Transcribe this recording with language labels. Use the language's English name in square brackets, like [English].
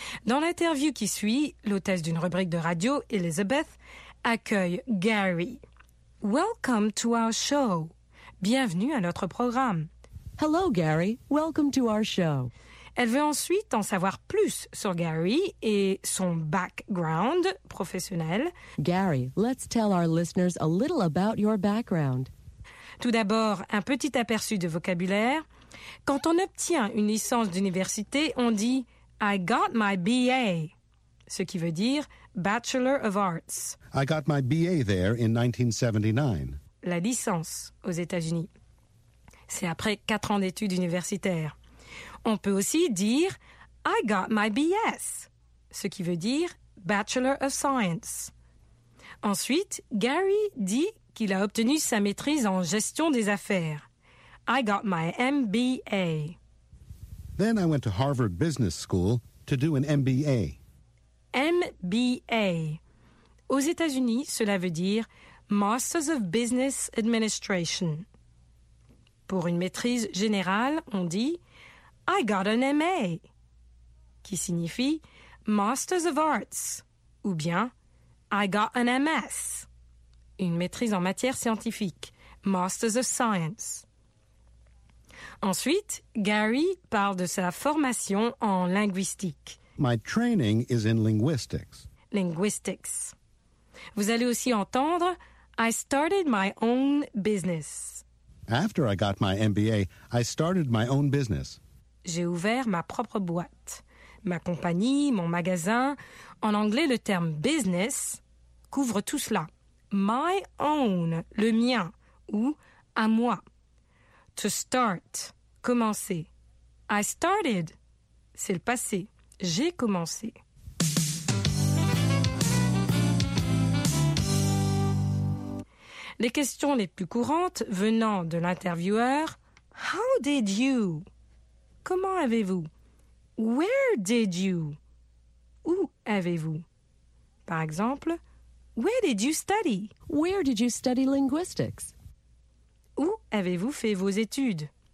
[French] Dans l'interview qui suit, l'hôtesse d'une rubrique de radio, Elizabeth, accueille Gary. « [English] Welcome to our show. [French] » Bienvenue à notre programme. [English] « Hello Gary, welcome to our show. » [French] Elle veut ensuite en savoir plus sur Gary et son background professionnel. [English] Gary, let's tell our listeners a little about your background. [French] Tout d'abord, un petit aperçu de vocabulaire. Quand on obtient une licence d'université, on dit « [English] I got my BA [French] », ce qui veut dire « [English] Bachelor of Arts ». I got my BA there in 1979. [French] La licence aux États-Unis. C'est après 4 ans d'études universitaires. On peut aussi dire « [English] I got my BS [French] », ce qui veut dire « [English] Bachelor of Science ». [French] Ensuite, Gary dit qu'il a obtenu sa maîtrise en gestion des affaires. [English] « I got my MBA ». Then I went to Harvard Business School to do an MBA. MBA. [French] Aux États-Unis, cela veut dire « [English] Masters of Business Administration ». [French] Pour une maîtrise générale, on dit « [English] I got an MA, [French] qui signifie [English] Masters of Arts, [French] ou bien [English] I got an MS, [French] une maîtrise en matière scientifique, [English] Masters of Science. [French] Ensuite, Gary parle de sa formation en linguistique. [English] My training is in linguistics. Linguistics. [French] Vous allez aussi entendre [English] I started my own business. After I got my MBA, I started my own business. [French] J'ai ouvert ma propre boîte, ma compagnie, mon magasin. En anglais, le terme « business » couvre tout cela. « [English] My own [French] », le mien, ou « à moi ».« [English] To start [French] », commencer. « [English] I started [French] », c'est le passé. « J'ai commencé ». Les questions les plus courantes venant de l'intervieweur « [English] How did you [French] ?» Comment avez-vous? [English] Where did you? [French] Où avez-vous? Par exemple, [English] where did you study? Where did you study linguistics? [French] Où avez-vous fait vos études?